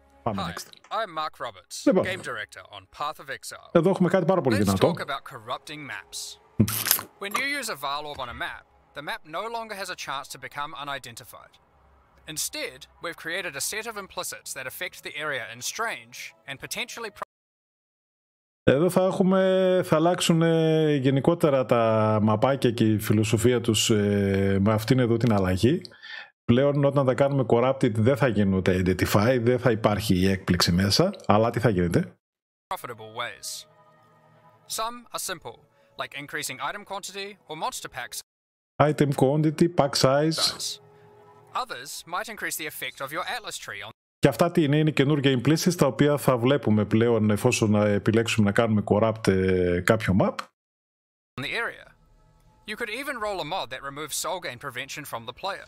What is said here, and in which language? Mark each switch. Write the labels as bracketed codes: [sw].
[en] Hi, I'm Mark Roberts, [el] λοιπόν, [en] Game Director on Path of Exile. [el] Εδώ έχουμε κάτι πάρα πολύ δυνατό. [en] Let's talk about corrupting maps. When you use a Valorb on a map, the map no longer has a chance to become unidentified. Instead, we've created a set of implicits that affect the area in strange and potentially. [el] Εδώ θα έχουμε, θα αλλάξουν γενικότερα τα μαπάκια και η φιλοσοφία τους με αυτήν εδώ την αλλαγή. Πλέον όταν τα κάνουμε corrupted δεν θα γίνονται identify, δεν θα υπάρχει η έκπληξη μέσα. Αλλά τι θα γίνεται. [en] Profitable ways. Some are simple, like increasing item quantity or monster packs. Item quantity, pack size. Others might increase the effect of your atlas tree on. [el] Και αυτά τι είναι, είναι καινούργια implicit τα οποία θα βλέπουμε πλέον εφόσον επιλέξουμε να κάνουμε corrupt κάποιο map. [en] You could even roll a mod that removes soul gain prevention from the player.